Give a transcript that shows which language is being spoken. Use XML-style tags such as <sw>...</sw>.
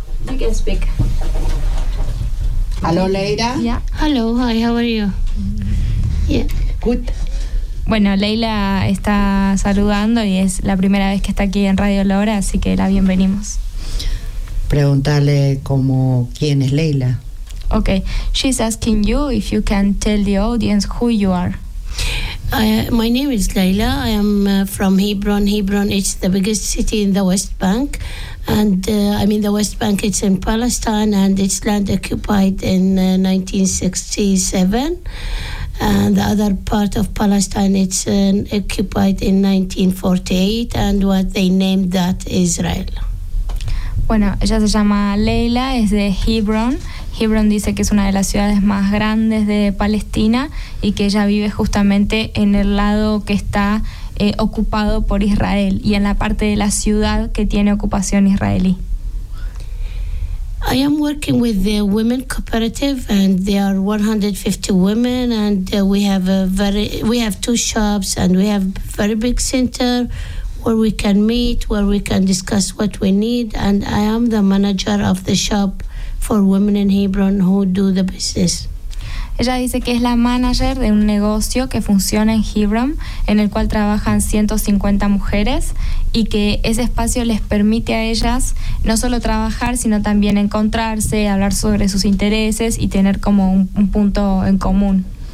<en>You can speak. Hello, Leila. Yeah. Hello, hi, how are you? Yeah. Good.</en> <es>Bueno, Leila está saludando y es la primera vez que está aquí en Radio Lora, así que la bienvenimos. Preguntarle como quién es Leila.</es> <en>Okay, she's asking you if you can tell the audience who you are. My name is Leila. I am from Hebron. Hebron is the biggest city in the West Bank. And I mean the West Bank, it's in Palestine and it's land occupied in 1967. And the other part of Palestine, it's occupied in 1948. And what they named that Israel.</en> <es>Bueno, ella se llama Leila, es de Hebron. Hebron dice que es una de las ciudades más grandes de Palestina y que ella vive justamente en el lado que está ocupado por Israel y en la parte de la ciudad que tiene ocupación israelí.</es> <en>I am working with the women cooperative and there are 150 women and we have two shops and we have very big center where we can meet, where we can discuss what we need, and I am the manager of the shop for women in Hebron who do the business.</en> <es>Ella dice que es la manager de un negocio que funciona en Hebron, en el cual trabajan 150 mujeres, y que ese espacio les permite a ellas no solo trabajar, sino también encontrarse, hablar sobre sus intereses y tener como un punto en común.</es>